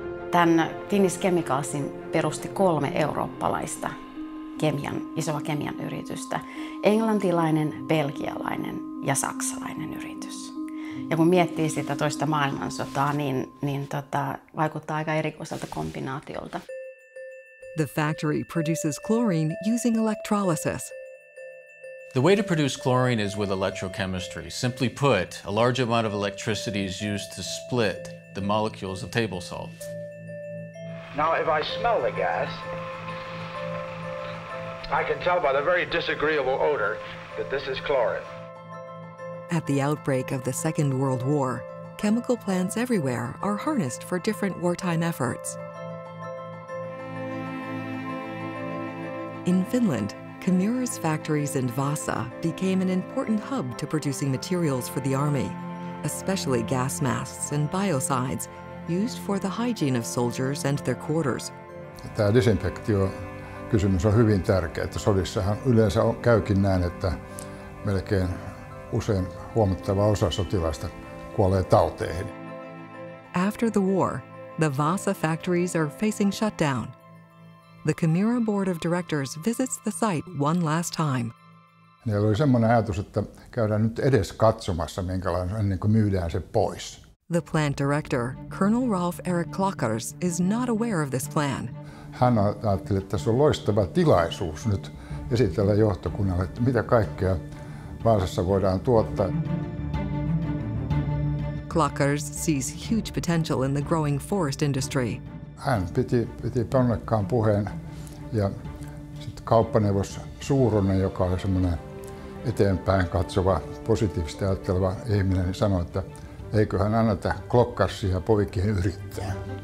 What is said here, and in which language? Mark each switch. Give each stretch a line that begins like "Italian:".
Finnish: Tän Finnish Chemicalsin perusti kolme eurooppalaista kemian, isoa kemian yritystä. Englantilainen, belgialainen ja saksalainen yritys. Ja kun miettii sitä toista maailmansotaa, niin vaikuttaa aika erikoiselta kombinaatiolta.
English: The factory produces chlorine using electrolysis. The way to produce chlorine is with electrochemistry. Simply put, a large amount of electricity is used to split the molecules of table salt. Now, if I smell the gas, I can tell by the very disagreeable odor that this is chlorine. At the outbreak of the Second World War, chemical plants everywhere are harnessed for different wartime efforts. In Finland, Kemira's factories in Vaasa became an important hub to producing materials for the army, especially gas masks and biocides used for the hygiene of soldiers and their quarters.
Finnish: Tämä disinfektiokysymys on hyvin tärkeä, että sodissahan yleensä käykin näin, että melkein usein huomattava osa sotilaista kuolee tauteihin.
English: After the war, the Vaasa factories are facing shutdown. The Kemira board of directors visits the site one last time.
Finnish: Heillä oli semmoinen ajatus, että käydään nyt edes katsomassa, minkälainen, ennen kuin myydään se pois.
English: The plant director, Colonel Ralph Eric Klockers, is not aware of this plan.
Finnish: Hän ajatteli, että tässä on loistava tilaisuus nyt esitellä johtokunnalle, että mitä kaikkea Vaasassa voidaan tuottaa.
English: Klockers sees huge potential in the growing forest industry.
Finnish: Hän piti ponnekkaan puheen ja sitten kauppaneuvos Suuronen, joka oli semmoinen eteenpäin katsova, positiivisesti ajatteleva ihminen, niin sanoi, että eiköhän anneta Klockarsia poikien yrittää.